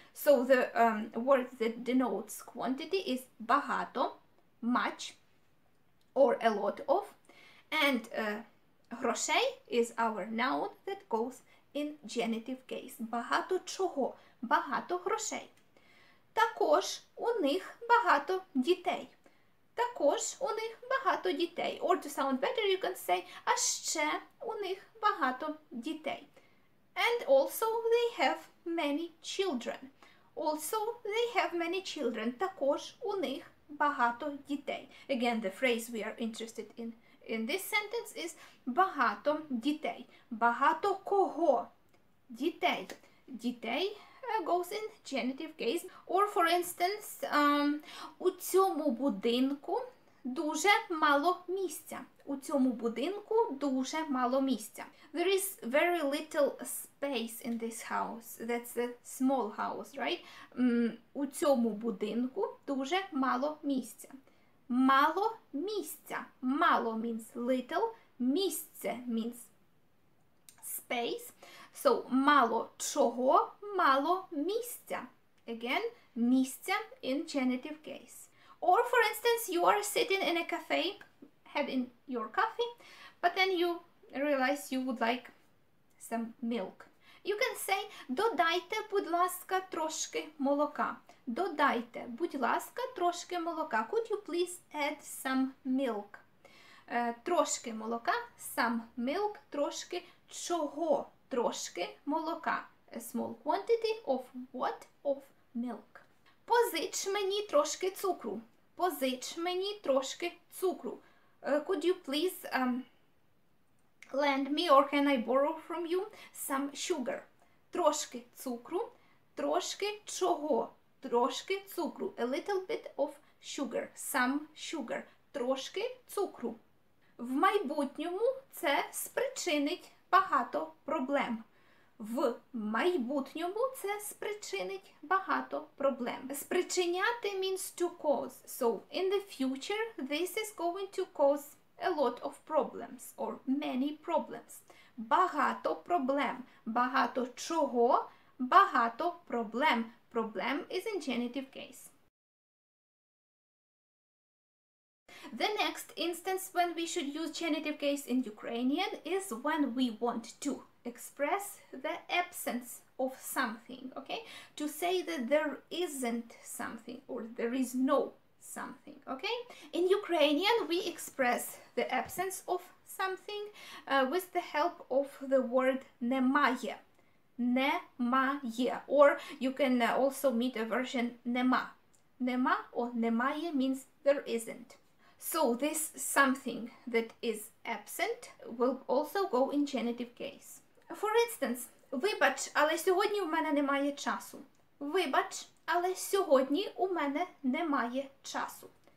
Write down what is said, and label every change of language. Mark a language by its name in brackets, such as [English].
[English] So, the word that denotes quantity is багато, much, or a lot of, and грошей is our noun that goes in genitive case. [Ukrainian] Багато чого? Багато грошей. Також у них багато дітей. Також у них багато дітей. [English] Or to sound better, you can say, [Ukrainian] а ще у них багато дітей. [English] And also they have many children. Also they have many children. [Ukrainian] Також у них багато дітей. [English] Again, the phrase we are interested in this sentence is [Ukrainian] багато дітей. Багато кого? Дітей. Дітей [English] goes in genitive case. Or, for instance, [Ukrainian] у цьому будинку дуже мало місця. У цьому будинку дуже мало місця. [English] There is very little space in this house. That's a small house, right? [Ukrainian] У цьому будинку дуже мало місця. Мало місця. Мало [English] means little. Місце means space. [Ukrainian] So, мало чого, мало місця. [English] Again, місця in genitive case. Or, for instance, you are sitting in a cafe, having your coffee, but then you realize you would like some milk. You can say, [Ukrainian] додайте, будь ласка, трошки молока. Додайте, будь ласка, трошки молока. [English] Could you please add some milk? [Ukrainian] Трошки молока, [English] some milk, [Ukrainian] трошки чого? Трошки молока. [English] A small quantity of what? Of milk. [Ukrainian] Позич мені трошки цукру. Позич мені трошки цукру. [English] Could you please lend me or can I borrow from you some sugar? [Ukrainian] Трошки цукру. Трошки чого? Трошки цукру. [English] A little bit of sugar. Some sugar. [Ukrainian] Трошки цукру. В майбутньому це спричинить багато проблем. В майбутньому це спричинить багато проблем. [English] Спричиняти means to cause. So, in the future, this is going to cause a lot of problems or many problems. [Ukrainian] Багато проблем. Багато чого? Багато проблем. [English] Проблем is in genitive case. The next instance when we should use genitive case in Ukrainian is when we want to express the absence of something, okay? To say that there isn't something or there is no something, okay? In Ukrainian, we express the absence of something with the help of the word немає. [Ukrainian] Немає. [English] Or you can also meet a version нема. Нема or немає means there isn't. So this something that is absent will also go in genitive case. For instance, [Ukrainian] вибач, але сьогодні у мене немає часу. Вибач, але сьогодні у мене немає часу.